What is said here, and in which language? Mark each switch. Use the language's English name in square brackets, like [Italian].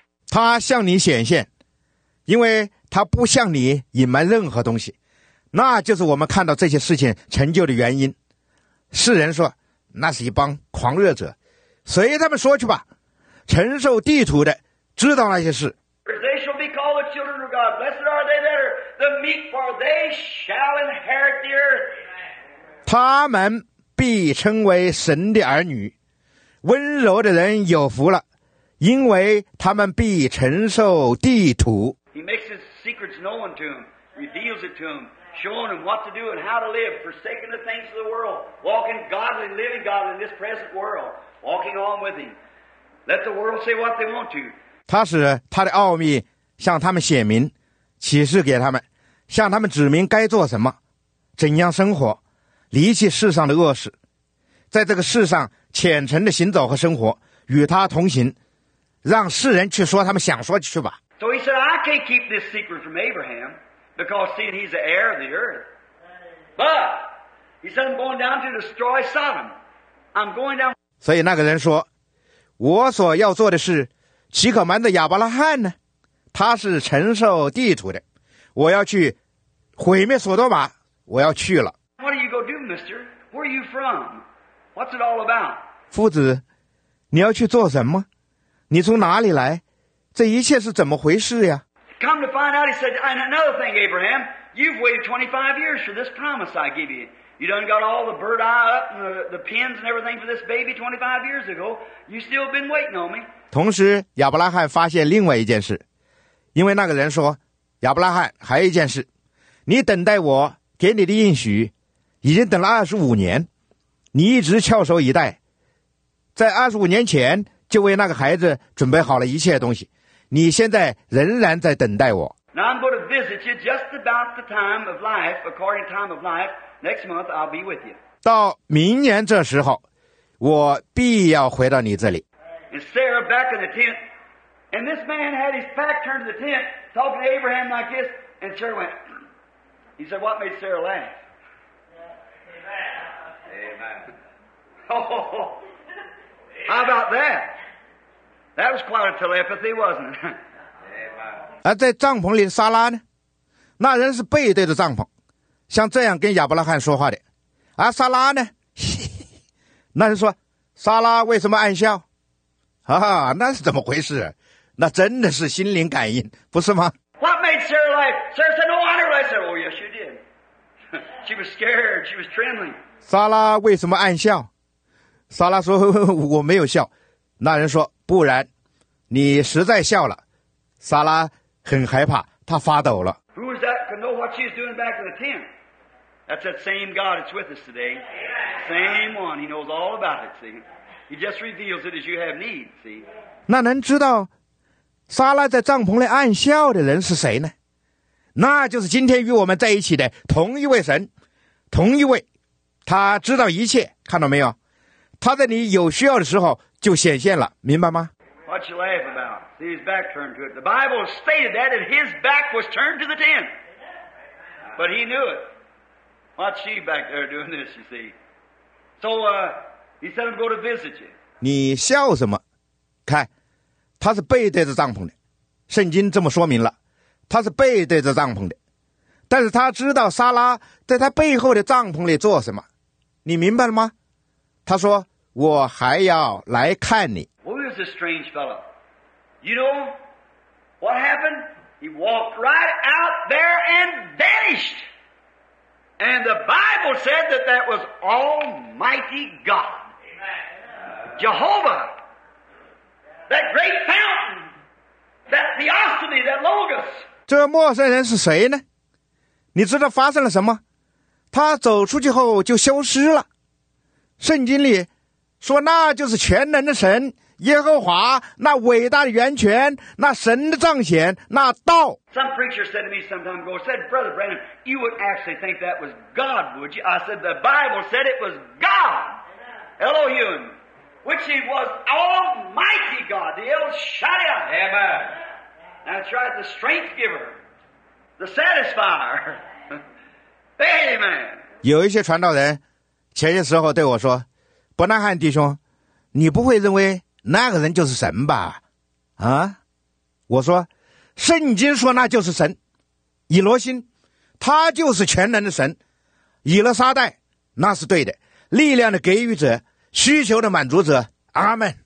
[Chinese] 他向你显现，因为他不向你隐瞒任何东西，那就是我们看到这些事情成就的原因。世人说，那是一帮狂热者，随他们说去吧。承受地图的知道那些事。 [English] They shall be called the children of God. Blessed are they that are the meek, for they shall inherit the earth. [Chinese] 他们必称为神的儿女。温柔的人有福了，因为他们必承受地土。 [English] He makes his secrets known to him, reveals it to him, showing him what to do and how to live, forsaking the things of the world, walking godly, living godly in this present world, walking on with him. Let the world say what they want to. [Chinese] 他使他的奥秘向他们显明，启示给他们，向他们指明该做什么，怎样生活，离弃世上的恶事，在这个世上虔诚的行走和生活，与他同行，让世人去说他们想说去吧。 [English] So he said, I can't keep this secret from Abraham, because seeing he's the heir of the earth. But he said, I'm going down to destroy Sodom. I'm going down. [Chinese] 所以那个人说，我所要做的事，岂可瞒着亚伯拉罕呢？他是承受地土的，我要去毁灭索多玛，我要去了。 [English] What are you going to do, Mister? Where are you from? What's it all about? [Chinese] 夫子，你要去做什么？你从哪里来？这一切是怎么回事呀？ [English] Come to find out, he said, and another thing, Abraham, you've waited 25 years for this promise I give you. You done got all the bird eye up and the pins and everything for this baby 25 years ago. You still been waiting on me. [Chinese] 同时，亚伯拉罕发现另外一件事，因为那个人说，亚伯拉罕，还有一件事，你等待我给你的应许，已经等了25年。你一直翘首以待，在25年前就为那个孩子准备好了一切东西，你现在仍然在等待我。 [English] Now I'm going to visit you just about the time of life, according to time of life. Next month I'll be with you. [Chinese] 到明年这时候，我必要回到你这里。 [English] And Sarah back in the tent, and this man had his back turned to the tent, talking to Abraham like this, and Sarah went. He said, "What made Sarah laugh?" Amen. Amen. Oh, how about that? That was quite a telepathy, wasn't it? [Chinese] 而在帐篷里的撒拉呢，那人是背对着帐篷，像这样跟亚伯拉罕说话的。而撒拉呢，那人说，撒拉为什么暗笑？哈哈，那是怎么回事？那真的是心灵感应，不是吗 [English] ？What made Sarah laugh? Sarah said, "No wonder." I said, "Oh yes, she did. She was scared. She was trembling." [Chinese] 撒拉为什么暗笑？撒拉说，我没有笑。那人说，不然，你实在笑了。撒拉很害怕，她发抖了。 [English] Who is that? Could know what she's doing back in the tent? That's that same God that's with us today. Same one. He knows all about it. See, he just reveals it as you have need. See. [Chinese] 那能知道撒拉在帐篷里暗笑的人是谁呢？那就是今天与我们在一起的同一位神，同一位。他知道一切，看到没有？他在你有需要的时候就显现了，明白吗？ [English] What you laugh about? See, his back turned to it. The Bible stated that, and his back was turned to the tent. But he knew it. What's she back there doing this, you see? So, he said, I'm going to visit you. [Chinese] 你笑什么？看，他是背对着帐篷的。圣经这么说明了，他是背对着帐篷的。但是他知道撒拉在他背后的帐篷里做什么。你明白了吗？他说，我还要来看你。 [English] This strange fellow. You know what happened? He walked right out there and vanished. And the Bible said that that was Almighty God. Amen. Jehovah. That great fountain. That theosophy, that logos. [Chinese] 这陌生人是谁呢？你知道发生了什么？他走出去后就消失了。圣经里说那就是全能的神。耶和华那伟大的源泉，那神的彰显，那道。 [English] Some preacher said to me some time ago, said, "Brother Brandon, you would actually think that was God, would you?" I said, "The Bible said it was God, Elohim, which He was Almighty God, the El Shaddai." Amen. That's right, the strength giver, the satisfier. Amen. [Chinese] 有一些传道人前些时候对我说，伯南汉弟兄，你不会认为那个人就是神吧？啊，我说，圣经说那就是神，以罗心，他就是全能的神，以勒沙代，那是对的，力量的给予者，需求的满足者，阿们。